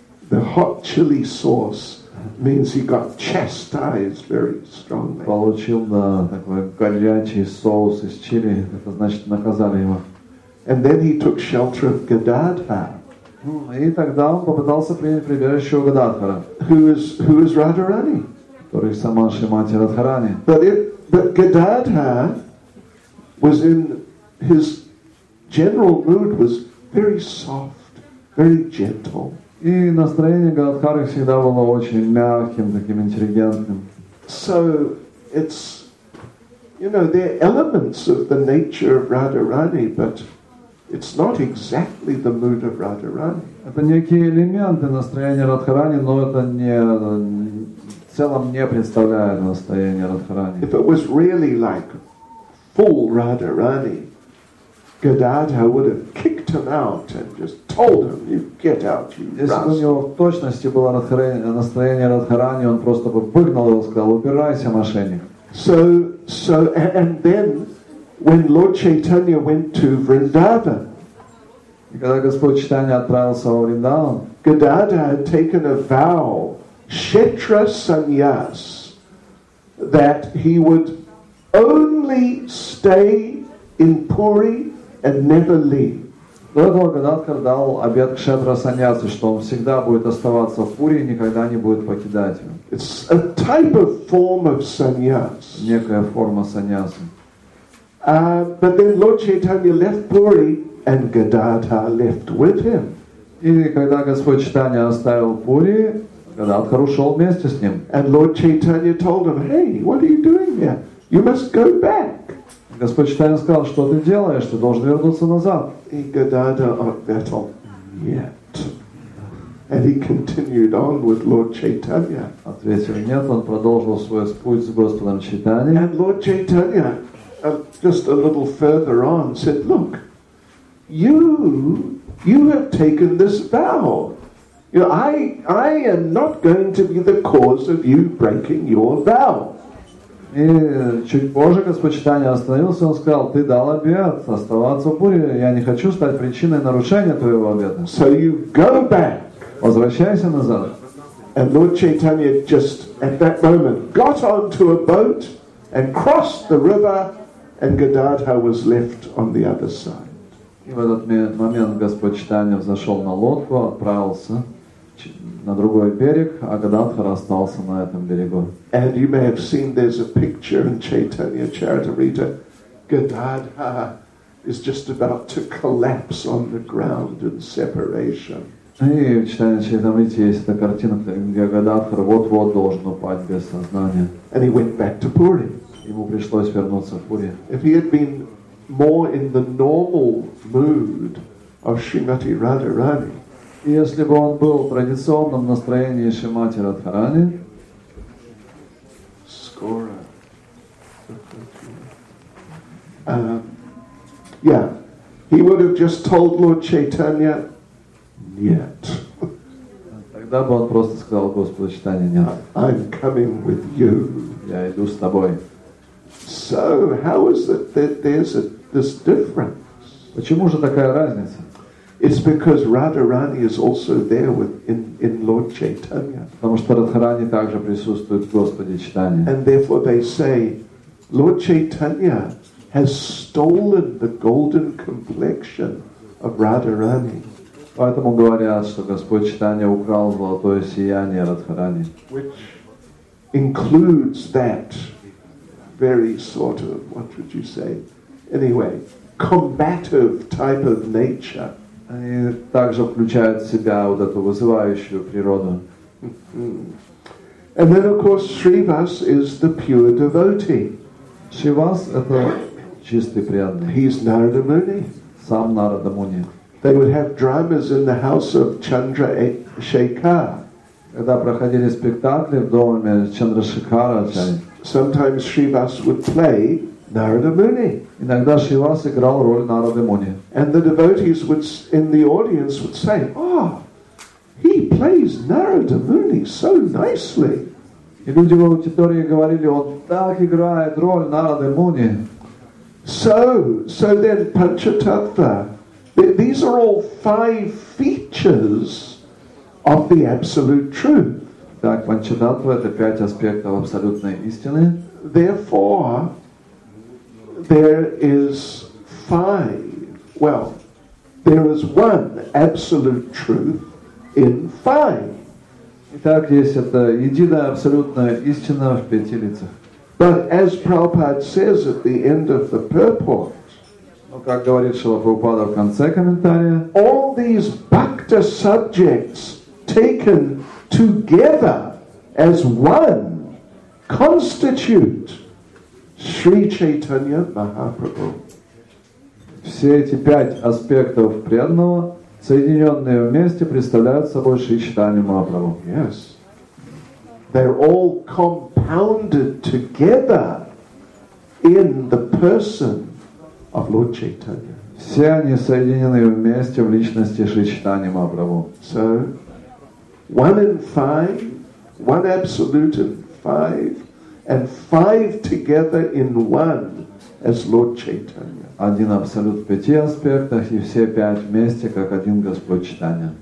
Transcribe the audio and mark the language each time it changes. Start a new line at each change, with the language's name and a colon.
English: The hot chili sauce means he got chastised very strongly.
Russian: Получил такой горячий соус из чили, это значит наказали его.
English: And then he took shelter of Gadadhar.
Russian: И тогда он попытался принять прибежище у Гададхара.
English: Who is Radharani?
Russian: Который сама Шримати Радхарани.
English: But Gadadhar was in his general mood was very soft, very gentle.
Russian: И настроение Гададхары всегда было очень мягким, таким интеллигентным.
English: So it's, you know, there are elements of the nature of Radharani, but it's not exactly the mood of Radharani.
Russian: Это некие элементы настроения Радхарани, но это не в целом не представляет настроение Радхарани.
English: If it was really like full Radharani, Gadadhar would have kicked him out and just told him, "You get out, you rascal."
Russian: Если бы у него в точности было настроение Радхарани, он просто бы выгнал его и сказал: "Убирайся, мошенник."
English: So and then when Lord Chaitanya went to Vrindavan,
Russian: и когда Господь Чайтанья отправился в Вриндаван,
English: Gadadhar had taken a vow, Kshetra Sannyas, that he would only stay in Puri and never leave.
Russian: До этого Гададхар дал обет кшетра саньясу, что он всегда будет оставаться в Пури и никогда не будет покидать его.
English: It's a type of form of sannyas.
Russian: Некая форма саньясы.
English: But then Lord Chaitanya left Puri and Gadadhar left with him.
Russian: И когда Господь Чайтанья оставил Пури, Гададхар ушел вместе с ним.
English: And Lord Chaitanya told him, "Hey, what are you doing here? You must go back."
Russian: Господь Чайтанья сказал, что ты делаешь, ты должен вернуться назад. И Гададхар ответил, нет.
English: And he continued on with Lord Chaitanya.
Russian: Ответил нет, он продолжил свой путь с Господом Чайтанья.
English: And Lord Chaitanya, just a little further on, said, look, you have taken this vow. You know, I am not going to be the cause of you breaking your vow.
Russian: И чуть позже Господь Чайтанья остановился, он сказал, ты дал обет оставаться в Пури, я не хочу стать причиной нарушения твоего обета.
English: So you go back.
Russian: Возвращайся назад.
English: And Lord Chaitanya just at that moment got onto a boat and crossed the river and Gadadhar was left on the other side.
Russian: И в этот момент Господь Чайтанья взошел на лодку, отправился на другой берег, а Гададхар остался на этом берегу.
English: And you may have seen there's a picture in Chaitanya Charitamrita. Gadadhar is just about to collapse on the ground in separation.
Russian: И в Чайтанья Чаритамрите есть эта картина, где Гададхар вот-вот должен упасть без сознания.
English: And he went back to Puri.
Russian: Ему пришлось вернуться в Пури.
English: If he had been more in the normal mood of Srimati Radharani,
Russian: если бы он был в традиционном настроении Шримати Радхарани, скоро.
English: Yeah. He would have just told Lord Chaitanya,
Russian: "Нет." Тогда бы он просто сказал Господу Чайтанье, "Нет."
English: I'm coming with you.
Russian: Я иду с тобой.
English: So how is it that there's this difference?
Russian: Почему же такая разница?
English: It's because Radharani is also there with in Lord Chaitanya.
Russian: Потому что Радхарани также присутствует в Господе Чайтанье.
English: And therefore they say, Lord Chaitanya has stolen the golden complexion of Radharani.
Russian: Поэтому говорят, что Господь Чайтанья украл золотое сияние Радхарани.
English: Which includes that very sort of, what would you say, anyway, combative type of nature.
Russian: Они также включают в себя вот эту вызывающую природу.
English: And then, of course, Srivas is the pure devotee.
Russian: Srivas – это чистый преданный.
English: He's Narada Muni.
Russian: Сам Нарада Муни.
English: They would have dramas in the house of Chandrasekhar.
Russian: Когда проходили спектакли в доме Чандрашекара.
English: Sometimes Srivas would play Narada Muni.
Russian: Иногда Шривас играл роль Нарады Муни.
English: And the devotees would in the audience would say, "Oh, he plays Narada Muni so nicely."
Russian: И люди в аудитории говорили, он так играет роль Нарады Муни.
English: So then Панчататва. These are all five features of the absolute truth.
Russian: Так, Панчататва – это пять аспектов абсолютной истины.
English: Therefore, there is five. Well, there is one absolute truth in five.
Russian: Итак, есть это единая абсолютная истина в пяти лицах.
English: But as Prabhupada says at the end of the purport.
Russian: Но, как говорит Шрила Прабхупада в конце комментария,
English: all these bhakta subjects taken together as one constitute Sri Chaitanya Mahaprabhu.
Russian: Все эти пять аспектов преданного, соединенные вместе, представляют собой Шри Чайтанья Махапрабху.
English: Yes. They're all compounded together in the person of Lord Chaitanya.
Russian: Все они соединены вместе в личности Шри Чайтанья Махапрабху.
English: So, one in five, one absolute in five, and five together in one as Lord Chaitanya.
Russian: Один абсолют в пяти аспектах и все пять вместе как один Господь Чайтанья.